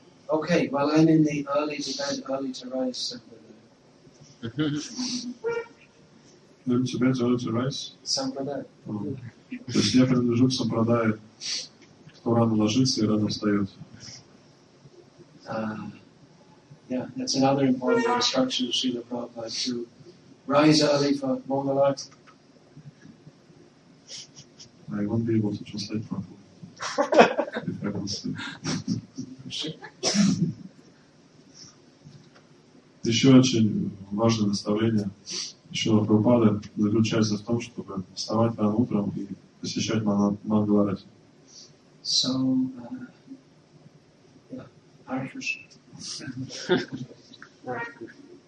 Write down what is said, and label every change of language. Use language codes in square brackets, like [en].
[en] Okay, well, I'm in the early to bed, early to rise. Early to bed, early to rise? Sampradaya. [ru] То есть я принадлежу к сампрадае, кто рано ложится и рано встает. [en] Yeah, that's another important instruction of Srila Prabhupada, to rise early for Mongalat. I won't be able to translate properly. If I don't sleep. Sure. [ru] Еще очень важное наставление Шрила Прабхупады заключается в том, чтобы вставать рано утром и посещать Мангаларат. [en] So, yeah, Hare Krishna. Thank you.